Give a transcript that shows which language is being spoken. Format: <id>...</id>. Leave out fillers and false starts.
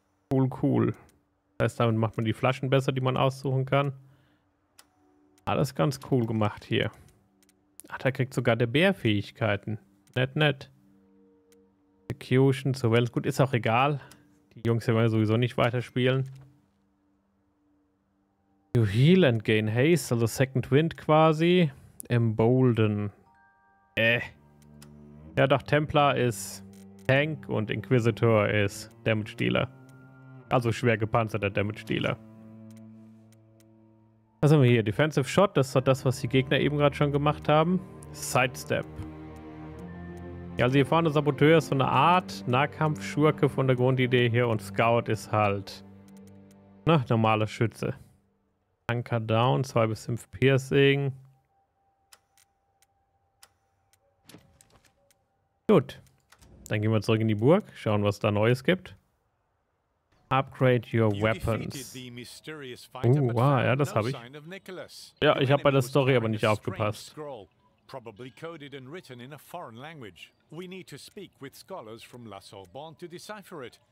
<de>Cool, cool. Das heißt, damit macht man die Flaschen besser, die man aussuchen kann. Alles ganz cool gemacht hier. Ach, da kriegt sogar der Bär Fähigkeiten. Nett, nett. Execution, Surveillance. Gut, ist auch egal. Die Jungs werden sowieso nicht weiterspielen.</de> <en>You heal and gain haste,</en> <de>also</de> <en>Second Wind</en> <de>quasi.</de> <en>Embolden.</en> <de>Ja, doch, Templar ist Tank und Inquisitor ist Damage Dealer. Also schwer gepanzerter Damage Dealer. Was haben wir hier? Defensive Shot, das ist doch das, was die Gegner eben gerade schon gemacht haben. Sidestep. Ja, also hier vorne Saboteur ist so eine Art Nahkampfschurke von der Grundidee hier und Scout ist halt, na, normaler Schütze. Anchor down, 2 bis 5 Piercing. Gut. Dann gehen wir zurück in die Burg, schauen, was da Neues gibt.</de> <en>Upgrade your weapons.</en> <de>Wow, ja, das habe ich. Ja, ich habe bei der Story aber nicht aufgepasst.</de> <en>Probably coded and written in a foreign language. We need to speak with scholars from La Sorbonne to decipher it.</en>